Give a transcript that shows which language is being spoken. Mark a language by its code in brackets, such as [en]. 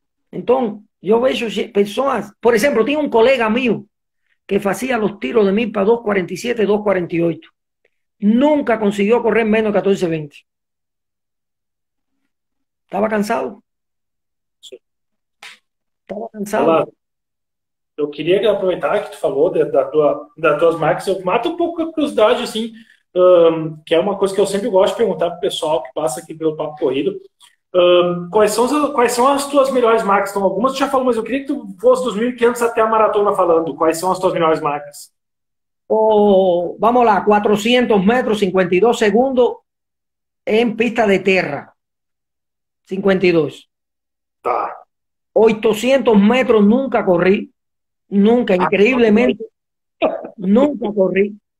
[es] Entonces, yo veo personas, por ejemplo, tengo un colega mío que hacía los tiros de 1.000 para 2.47, 2.48. Nunca consiguió correr menos de 14.20. Estaba cansado. Cansado. [pt] Olá, eu queria aproveitar que tu falou das tuas marcas. Eu mato um pouco a curiosidade, assim, que é uma coisa que eu sempre gosto de perguntar para o pessoal que passa aqui pelo Papo Corrido. Quais são as tuas melhores marcas? Então, algumas tu já falou, mas eu queria que tu fosse dos 1.500 até a maratona falando. Quais são as tuas melhores marcas? [es] Oh, vamos lá, 400 metros, 52 segundos en pista de tierra. 52. [pt] Tá. [es] 800 metros nunca corrí, nunca, increíblemente, nunca corrí.